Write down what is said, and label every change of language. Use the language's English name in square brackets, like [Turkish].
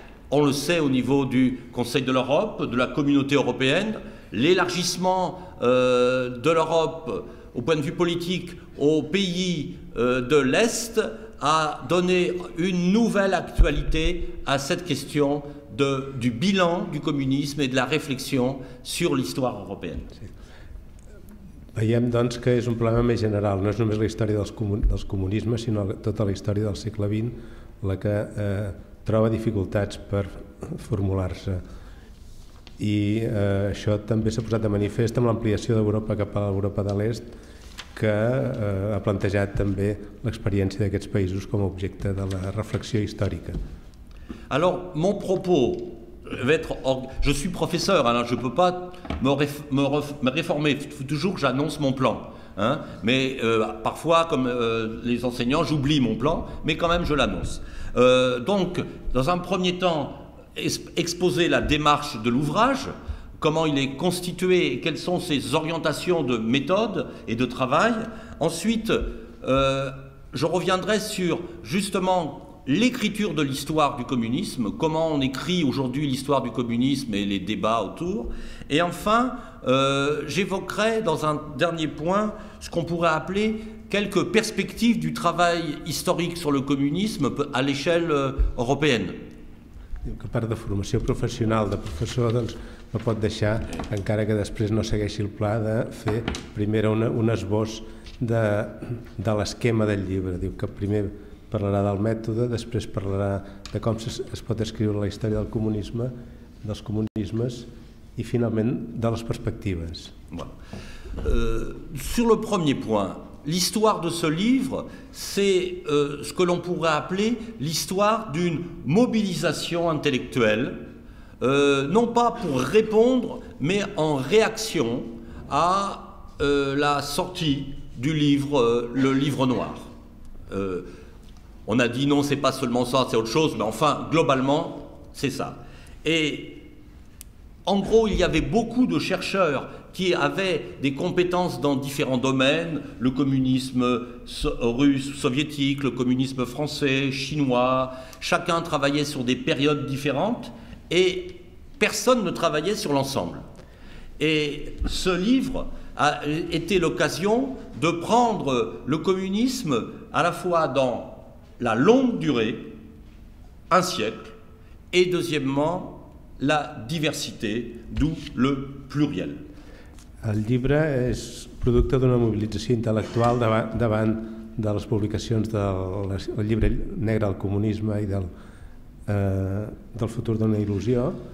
[French] On le sait au niveau du Conseil de l'Europe, de la Communauté européenne, l'élargissement de l'Europe au point de vue politique aux pays de l'Est a donné une nouvelle actualité à cette question du bilan du communisme et de la réflexion sur l'histoire européenne. [Catalan] Sí. Veiem doncs que és un problema més general, no és només la història dels comunismes, sinó tota la història del segle XX, la que troba dificultats per formular-se. I això també s'ha posat de manifest amb l'ampliació d'Europa cap a l'Europa de l'Est, que ha plantejat també l'experiència d'aquests països com a objecte de la reflexió històrica. [French] Alors, mon propos va être... Je suis professeur, alors je ne peux pas me réformer. Toujours, j'annonce mon plan. Hein? Mais parfois, comme les enseignants, j'oublie mon plan, mais quand même, je l'annonce. Donc, dans un premier temps, exposer la démarche de l'ouvrage, comment il est constitué, quelles sont ses orientations de méthode et de travail. Ensuite, je reviendrai sur, justement, l'écriture de l'histoire du communisme, comment on écrit aujourd'hui l'histoire du communisme et les débats autour. Et enfin, j'évoquerai dans un dernier point ce qu'on pourrait appeler quelques perspectives du travail historique sur le communisme à l'échelle européenne. [Catalan] Que part de formació professional de professor doncs, no pot deixar, encara que després no segueixi el pla, de fer primer un esbós de l'esquema del llibre. Diu que primer parlarà del mètode, després parlarà de com es pot escriure la història del comunisme, dels comunismes i finalment de les perspectives. [French] Voilà. Sur le premier point, l'histoire de ce livre, c'est ce que l'on pourrait appeler l'histoire d'une mobilisation intellectuelle, non pas pour répondre, mais en réaction à la sortie du livre, le livre noir. On a dit non, c'est pas seulement ça, c'est autre chose, mais enfin, globalement, c'est ça. Et en gros, il y avait beaucoup de chercheurs qui avaient des compétences dans différents domaines, le communisme russe, soviétique, le communisme français, chinois. Chacun travaillait sur des périodes différentes et personne ne travaillait sur l'ensemble. Et ce livre a été l'occasion de prendre le communisme à la fois dans la longue durée, un siècle, et deuxièmement, la diversité, d'où le pluriel. [Catalan] El llibre és producte d'una mobilització intel·lectual davant de les publicacions del llibre negre al comunisme i del futur d'una il·lusió,